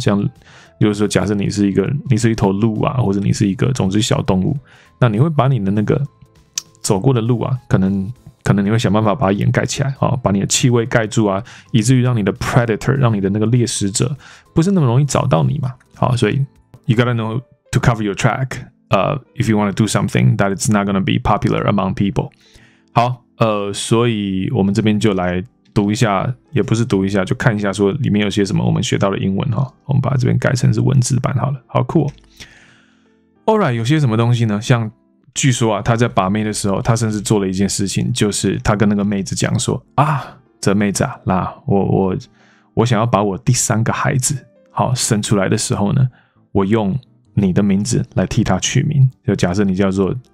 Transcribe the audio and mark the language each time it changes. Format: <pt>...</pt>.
<zh>像，比如说，假设你是一头鹿啊，或者你是一个总之小动物，那你会把你的那个走过的路啊，可能你会想办法把它掩盖起来啊，把你的气味盖住啊，以至于让你的 predator， 让你的那个猎食者不是那么容易找到你嘛。好，所以</zh> <en>you gotta know to cover your track， if you want to do something that is not gonna be popular among people。</en> <zh>好。所以我们这边就来读一下，也不是读一下，就看一下说里面有些什么我们学到的英文哈。我们把这边改成是文字版好了，好酷、</zh> <en>All right，</en> <zh>有些什么东西呢？像据说啊，他在把妹的时候，他甚至做了一件事情，就是他跟那个妹子讲说啊，这妹子啊，那我想要把我第三个孩子好生出来的时候呢，我用你的名字来替他取名，就假设你叫做。</zh>